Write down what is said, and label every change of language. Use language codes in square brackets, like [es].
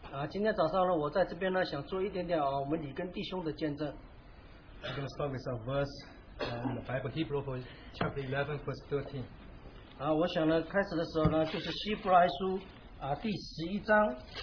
[zh] 今天早上呢，我在这边呢，想做一点点我们李根弟兄的见证。 [en] I'm going to start with a verse in the Bible, Hebrew, chapter 11, verse 13. [zh] 我想呢，开始的时候呢，就是希伯来书第十一章。